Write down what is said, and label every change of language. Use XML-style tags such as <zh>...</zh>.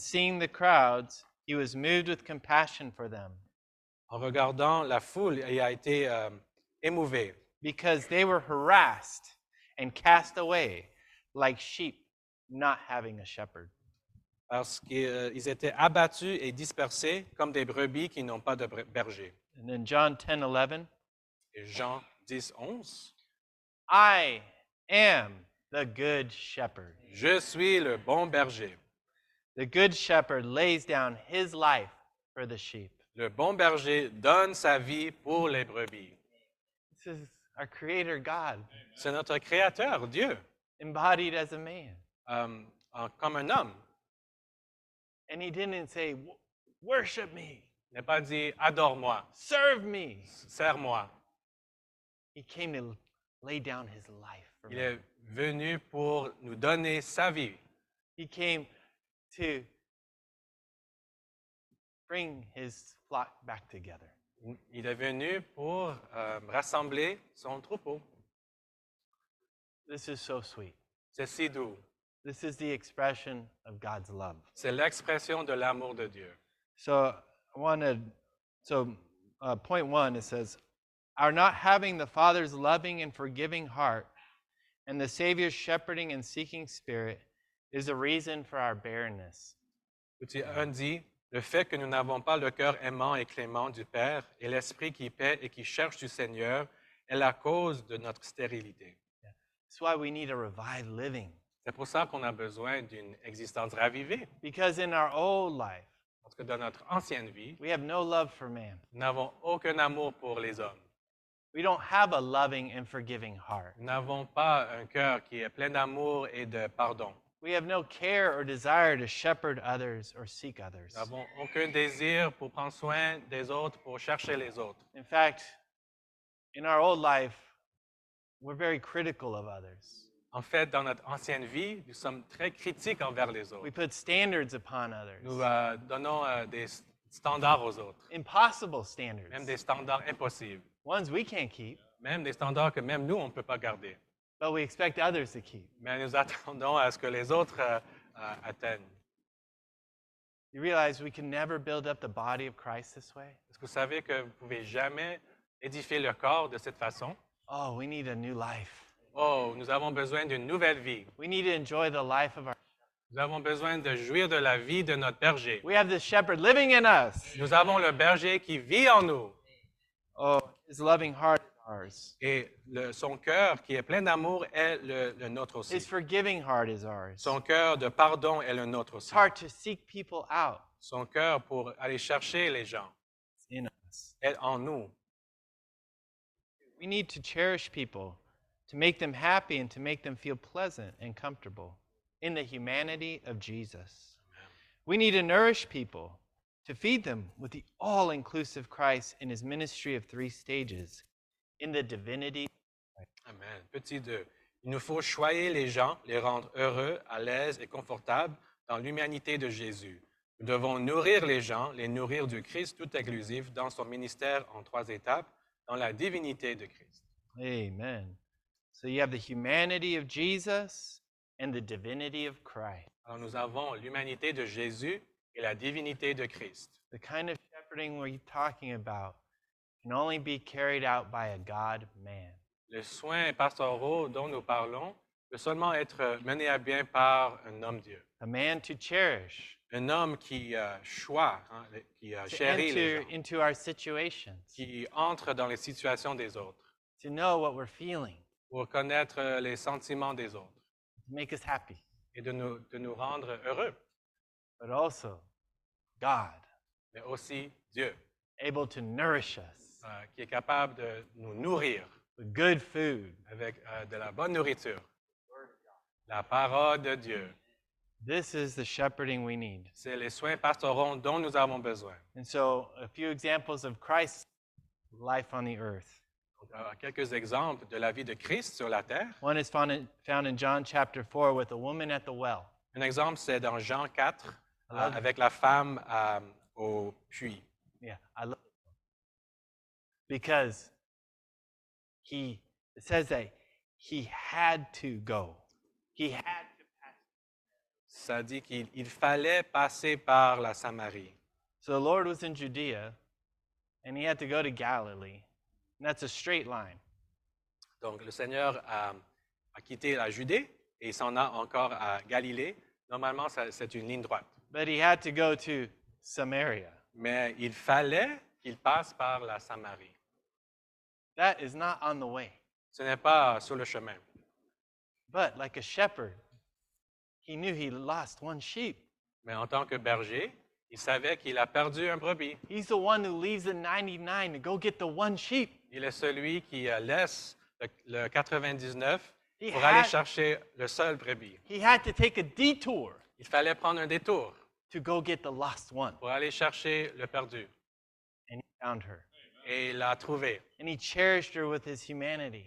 <en>seeing the crowds, he was moved with compassion for them.</en> <fr>En regardant la foule, il a été émouvé.</fr> <en>Because they were harassed and cast away like sheep not having a shepherd.</en> <fr>Parce qu'ils étaient abattus et dispersés comme des brebis qui n'ont pas de berger.</fr> <en>And then John 10:11.</en> <fr>Et Jean 10, 11.</fr> <en>I am the good shepherd.</en> <fr>Je suis le bon berger.</fr> <en>The good shepherd lays down his life for the sheep.</en> <fr>Le bon berger donne sa vie pour les brebis.</fr> <en>This is our creator God.</en> <fr>C'est notre créateur, Dieu.</fr> <en>Embodied as a man.</en> <fr>Comme un homme.</fr> <en>And he didn't say, worship me.</en> <fr>Il n'a pas dit, adore-moi.</fr> <en>Serve me.</en> <fr>Serre-moi.</fr> <en>He came to lay down his life for me.</en> <fr>Il est venu pour nous donner sa vie.</fr> <en>He came to bring his flock back together.</en> <fr>Il est venu pour rassembler son troupeau.</fr> <en>This is so sweet.</en> <fr>C'est si doux.</fr> <en>This is the expression of God's love.</en> <fr>C'est l'expression de l'amour de Dieu.</fr> <en>Point one, it says, our not having the Father's loving and forgiving heart and the Savior's shepherding and seeking spirit is a reason for our barrenness.</en> <fr>Petit un dit, le fait que nous n'avons pas le cœur aimant et clément du Père et l'Esprit qui paie et qui cherche du Seigneur est la cause de notre stérilité.</fr> <en>Yeah. That's why we need a revived living.</en> <fr>C'est pour ça qu'on a besoin d'une existence ravivée.</fr> <en>Because in our old life,</en> <fr>parce que dans notre ancienne vie,</fr> <en>we have no love for man.</en> <fr>Nous n'avons aucun amour pour les hommes.</fr> <en>We don't have a loving and forgiving heart.</en> <fr>Nous n'avons pas un cœur qui est plein d'amour et de pardon.</fr> <en>We have no care or desire to shepherd others or seek others.</en> <fr>Nous n'avons aucun désir pour prendre soin des autres, pour chercher les autres.</fr> <en>In fact, in our old life, we're very critical of others.</en> <fr>En fait, dans notre ancienne vie, nous sommes très critiques envers les autres.</fr> <en>We put standards upon others.</en> <fr>Nous donnons des standards aux autres.</fr> <en>Impossible standards.</en> <fr>Même des standards impossibles.</fr> <en>Ones we can't keep.</en> <fr>Même des standards que même nous, on ne peut pas garder.</fr> <en>But we expect others to keep.</en> <fr>Mais nous attendons à ce que les autres atteignent.</fr> <en>You realize we can never build up the body of Christ this way?</en> <fr>Est-ce que vous savez que vous ne pouvez jamais édifier le corps de cette façon?</fr> <en>Oh, we need a new life.</en> <fr>Oh, nous avons besoin d'une nouvelle vie.</fr> <en>We need to enjoy the life of our shepherd.</en> <fr>Nous avons besoin de jouir de la vie de notre berger.</fr> <en>We have the shepherd living in us.</en> <fr>Nous avons le berger qui vit en nous.</fr> <en>Oh, his loving heart is ours.</en> <fr>Et son cœur qui est plein d'amour est le nôtre aussi.</fr> <en>His forgiving heart is ours.</en> <fr>Son cœur de pardon est le nôtre aussi.</fr> <en>His heart to seek people out.</en> <fr>Son cœur pour aller chercher les gens.</fr> <en>It's in us.</en> <fr>Est en nous.</fr> <en>We need to cherish people. To make them happy and to make them feel pleasant and comfortable in the humanity of Jesus. Amen. We need to nourish people, to feed them with the all-inclusive Christ in his ministry of three stages, in the divinity.</en> <fr>Amen. Petit 2. Il nous faut choyer les gens, les rendre heureux, à l'aise et confortables dans l'humanité de Jésus. Nous devons nourrir les gens, les nourrir du Christ tout inclusif dans son ministère en trois étapes, dans la divinité de Christ.</fr> <en>Amen. So you have the humanity of Jesus and the divinity of Christ.</en> <fr>Alors nous avons l'humanité de Jésus et la divinité de Christ.</fr> <en>The kind of shepherding we're talking about can only be carried out by a God-man.</en> <fr>Le soin pastoral dont nous parlons peut seulement être mené à bien par un homme Dieu.</fr> <en>A man to cherish.</en> <fr>Un homme qui choisit, qui chérit les gens.</fr> <en>Into our situations.</en> <fr>Qui entre dans les situations des autres.</fr> <en>To know what we're feeling.</en> <fr>Pour connaître les sentiments des autres.</fr> <en>Make us happy.</en> <fr>Et de nous rendre heureux.</fr> <en>But also, God.</en> <fr>mais aussi Dieu.</fr> <en>Able to nourish us.</en> <fr>Qui est capable de nous nourrir.</fr> <en>The good food.</en> <fr>Avec de la bonne nourriture. La parole de Dieu.</fr> <en>This is the shepherding we need.</en> <fr>C'est les soins pastoraux dont nous avons besoin.</fr> <en>And so, a few examples of Christ's life on the earth.</en> <fr>Quelques exemples de la vie de Christ sur la terre.</fr> <en>One is found in John chapter 4 with a woman at the well.</en> <fr>Un exemple, c'est dans Jean 4 avec la femme au puits.</fr> <en>Yeah, I love it. Because it says that he had to go. He had to pass.</en> <fr>Ça dit qu'il fallait passer par la Samarie.</fr> <en>So the Lord was in Judea and he had to go to Galilee. And that's a straight line.</en> <fr>Donc le Seigneur a quitté la Judée et il s'en a encore à Galilée. Normalement, c'est une ligne droite.</fr> <en>But he had to go to Samaria.</en> <fr>Mais il fallait qu'il passe par la Samarie.</fr> <en>That is not on the way.</en> <fr>Ce n'est pas sur le chemin.</fr> <en>But like a shepherd, he knew he lost one sheep.</en> <fr>Mais en tant que berger, il savait qu'il a perdu un brebis.</fr> <en>He's the one who leaves the 99 to go get the one sheep.</en> <fr>Il est celui qui laisse le 99 pour aller chercher le seul brebis.</fr> <en>He had to take a detour.</en> <fr>Il fallait prendre un détour.</fr> <en>To go get the lost one.</en> <fr>Pour aller chercher le perdu.</fr> <en>And he found her.</en> <fr>Et il l'a trouvée.</fr> <en>And he cherished her with his humanity.</en>